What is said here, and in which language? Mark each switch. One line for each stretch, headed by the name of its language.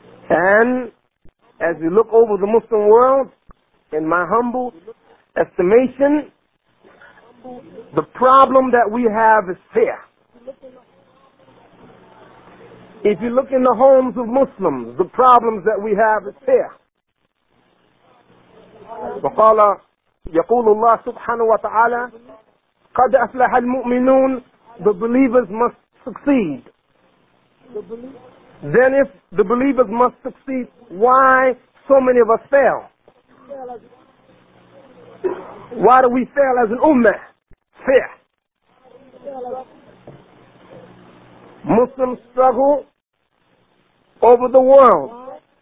English: And as we look over the Muslim world, in my humble estimation, the problem that we have is fear. If you look in the homes of Muslims, the problems that we have is fear.
Arabic: وقال يقول الله سبحانه وتعالى قد أفلح المؤمنون.
English: The believers must succeed. Then if the believers must succeed, why so many of us fail? Why do we fail as an ummah? Fear. Muslims struggle over the world.